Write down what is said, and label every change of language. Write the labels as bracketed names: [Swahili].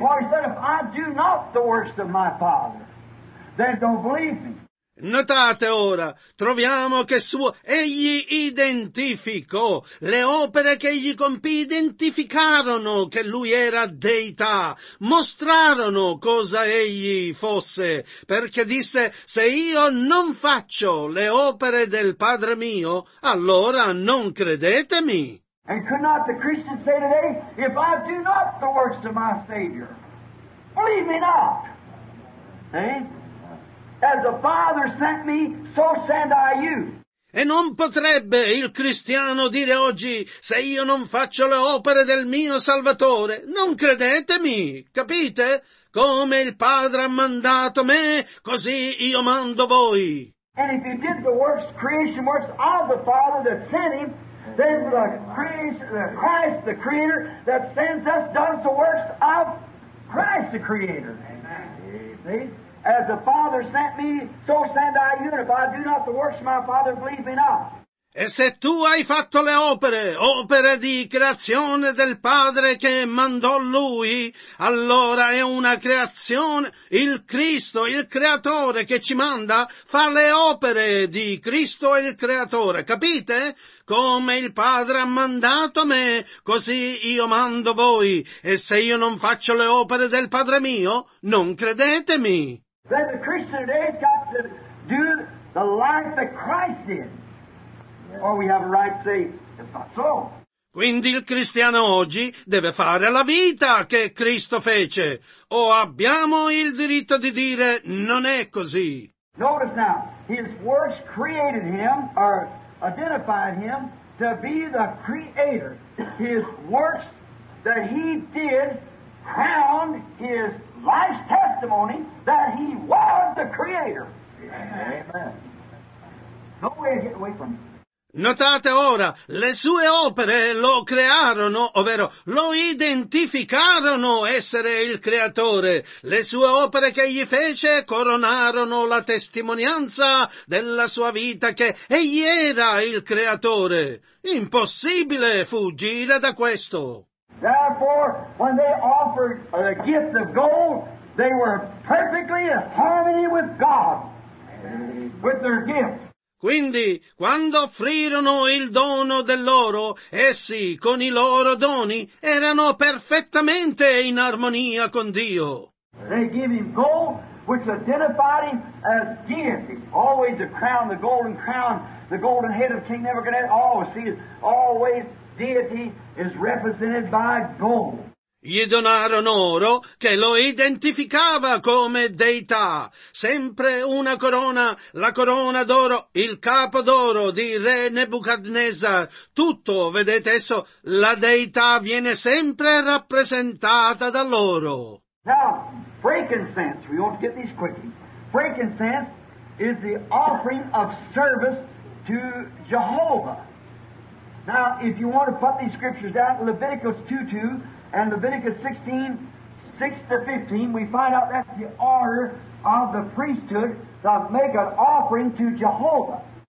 [English] For he said, if I do not the works of my Father, then don't believe me. [Italian] Notate ora, troviamo che suo egli identificò le opere che egli compì, identificarono che lui era deità, mostrarono cosa egli fosse, perché disse: se io non faccio le opere del Padre mio, allora non credetemi. [English] And could not the Christian say today, if I do not the works of my Savior, believe me not. As the Father sent me, so send I you. [Italian] E non potrebbe il cristiano dire oggi, se io non faccio le opere del mio Salvatore, non credetemi, capite? Come il Padre ha mandato me, così io mando voi. [English] And if he did the works, creation works of the Father that sent him, then Christ, the Creator, that sends us, does the works of Christ, the Creator. Amen. As the Father sent me, so send I you, and if I do not the works of my Father, believe me not. [Italian] E se tu hai fatto le opere, opere di creazione del Padre che mandò Lui, allora è una creazione, il Cristo, il Creatore che ci manda, fa le opere di Cristo il Creatore, capite? Come il Padre ha mandato me, così io mando voi, e se io non faccio le opere del Padre mio, non credetemi. [English] Then the Christian today has got to do the life that Christ did. Or we have a right to say, it's not so. [Italian] Quindi il cristiano oggi deve fare la vita che Cristo fece. O abbiamo il diritto di dire, non è così. [English] Notice now, his works created him, or identified him, to be the creator. His works that he did crowned his life's testimony that he was the creator. Amen. No way to get away from it. [Italian] Notate ora, le sue opere lo crearono, ovvero lo identificarono essere il creatore. Le sue opere che egli fece coronarono la testimonianza della sua vita che egli era il creatore. Impossibile fuggire da questo. [English] Therefore, when they offered the gift of gold, they were perfectly in harmony with God, with their gift. [Italian] Quindi, quando offrirono il dono dell'oro, essi con i loro doni erano perfettamente in armonia con Dio. [English] They gave him gold, which identified him as deity. Always the crown, the golden crown, the golden head of King Nebuchadnezzar. Always, see, always deity is represented by gold. [Italian] Gli donarono oro che lo identificava come deità, sempre una corona, la corona d'oro, il capo d'oro di re Nebuchadnezzar, tutto, vedete esso, la deità viene sempre rappresentata da loro. [English] Now, frankincense, we ought to get these quickly. Frankincense is the offering of service to Jehovah. Now, if you want to put these scriptures down, Leviticus 2:2, and Leviticus 16, 6-15, we find out that's the order of the priesthood to make an offering to Jehovah.